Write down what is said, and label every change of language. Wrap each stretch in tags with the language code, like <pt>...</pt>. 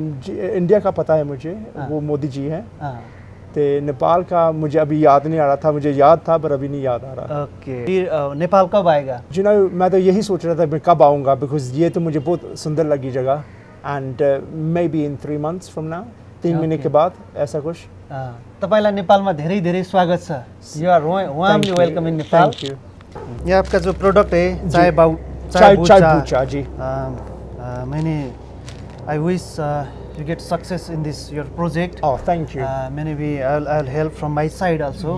<hi>India का पता है मुझे, वो मोदी जी हैं. तो नेपाल का मुझे अभी याद नहीं आ रहा था, मुझे याद था पर अभी नहीं याद आ रहा. ओके. नेपाल कब आएगा? जी ना, मैं तो यही सोच रहा था मैं कब आऊँगा, बिकॉज ये तो मुझे बहुत सुंदर लगी जगह.</hi> <en>and maybe in 3 months from now,</en> <hi>3 महीने के बाद ऐसा कुछ.</hi> <ne>तपाईँलाई नेपालमा धेरै धेरै स्वागत छ.</ne> <en>You are warmly welcome in Nepal. Thank you.</en> <hi>यहाँ आपका जो प्रोडक्ट है चाय बाउ, चाय बुचा. जी. मैंने</hi> <en>I wish you get success in this your project. Oh, thank you. Maybe I'll help from my side also.</en>